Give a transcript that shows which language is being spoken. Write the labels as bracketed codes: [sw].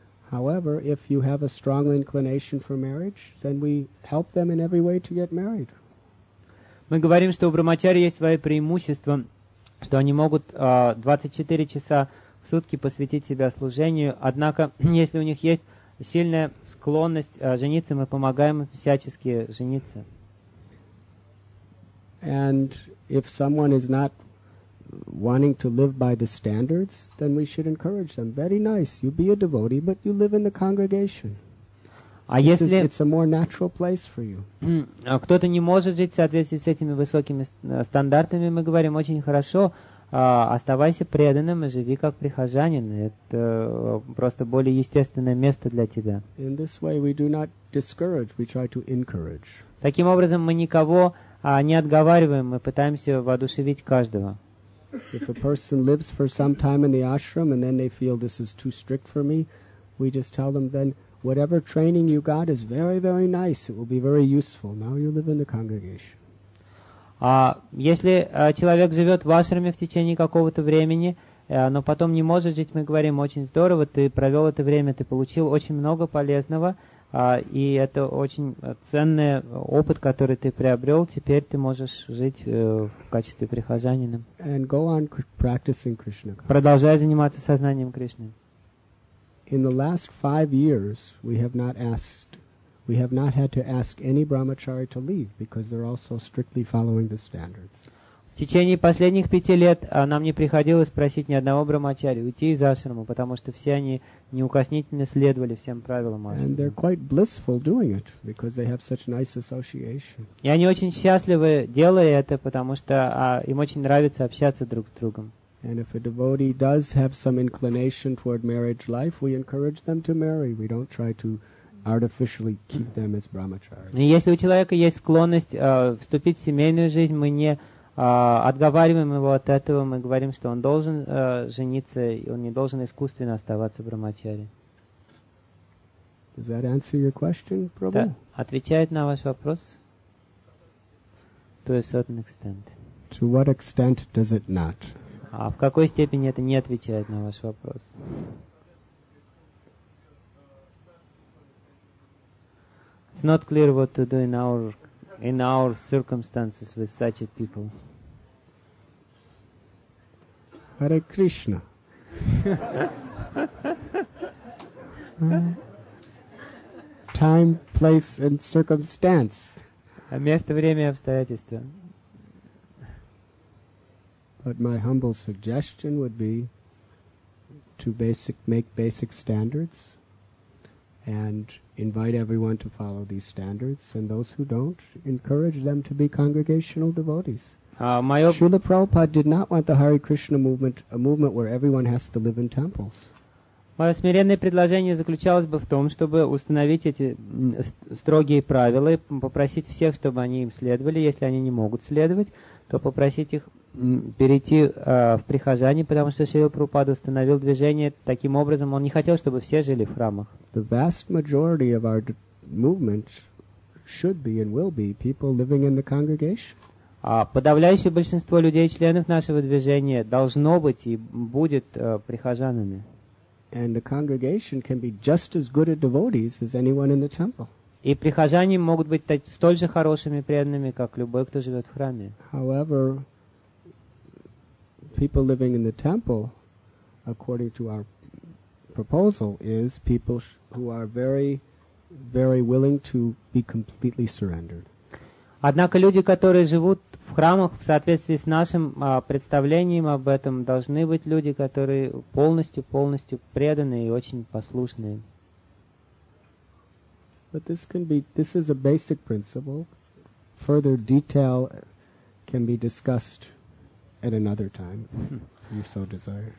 [en] However, if you have a strong inclination for marriage, then we help them in every way to get married. [ru] Мы говорим, что у брахмачари есть свои преимущества, что они могут 24 часа в сутки посвятить себя служению. Однако, если у них есть сильная склонность жениться, мы помогаем всячески жениться. [en] And if someone is not wanting to live by the standards, then we should encourage them. Very nice, you be a devotee, but you live in the congregation. [ru] А если [en] it's a more natural place for you. [ru] Кто-то не может жить в соответствии с этими высокими стандартами, мы говорим, очень хорошо, оставайся преданным и живи как прихожанин. Это просто более естественное место для тебя. [en] In this way we do not discourage, we try to encourage. [ru] Таким образом, мы никого не отговариваем, мы пытаемся воодушевить каждого. [en] If a person lives for some time in the ashram and then they feel this is too strict for me, we just tell them then whatever training you got is very, very nice. It will be very useful. Now you live in the congregation. [ru] Если человек живет в ашраме в течение какого-то времени, но потом не может жить, мы говорим, очень здорово, ты провел это время, ты получил очень много полезного, и это очень ценный опыт, который ты приобрел, теперь ты можешь жить в качестве прихожанина. [en] And go on practicing Krishna. [ru] Продолжай заниматься сознанием Кришны. [en] In the last 5 years, we have not had to ask any brahmachari to leave, because they're also strictly following the standards. [ru] В течение последних 5 лет нам не приходилось просить ни одного брахмачари уйти из ашрама, потому что все они неукоснительно следовали всем правилам ашрама. [en] And they're quite blissful doing it, because they have such nice association. [ru] И они очень счастливы, делая это, потому что им очень нравится общаться друг с другом. [en] And if a devotee does have some inclination toward marriage life, we encourage them to marry. We don't try to artificially keep them as brahmacharis. [ru] Если у человека есть склонность вступить в семейную жизнь, мы не отговариваем его от этого, мы говорим, что он должен жениться, и он не должен искусственно оставаться брахмачари. [en] Does that answer your question, Prabhu? [ru] Да. Отвечает на ваш вопрос? [en] To a certain extent. To what extent does it not? [ru] А в какой степени это не отвечает на ваш вопрос? [en] It's not clear what to do in our circumstances with such a people. Hare Krishna. Time, place, and circumstance. [ru] А место, время, обстоятельства. [en] But my humble suggestion would be to make basic standards and invite everyone to follow these standards, and those who don't, encourage them to be congregational devotees. Srila Prabhupada did not want the Hare Krishna movement, a movement where everyone has to live in temples. [ru] Мое смиренное предложение заключалось бы в том, чтобы установить эти строгие правила и попросить всех, чтобы они им следовали. Если они не могут следовать, то попросить их перейти в прихожане, потому что Шрила Прабхупада установил движение таким образом, он не хотел, чтобы все жили в храмах. [en] The vast majority of our movement should be and will be people living in the congregation. [ru] Подавляющее большинство людей, членов нашего движения, должно быть и будет прихожанами. [en] And the congregation can be just as good at devotees as anyone in the temple. [ru] И прихожане могут быть столь же хорошими преданными, как любой, кто живет в храме. [en] However, people living in the temple, according to our proposal, is people who are very, very willing to be completely surrendered. [ru] Однако люди, которые живут в храмах, в соответствии с нашим представлением об этом, должны быть люди, которые полностью преданные и очень послушные. [en] But this is a basic principle. Further detail can be discussed at another time, if you so desire.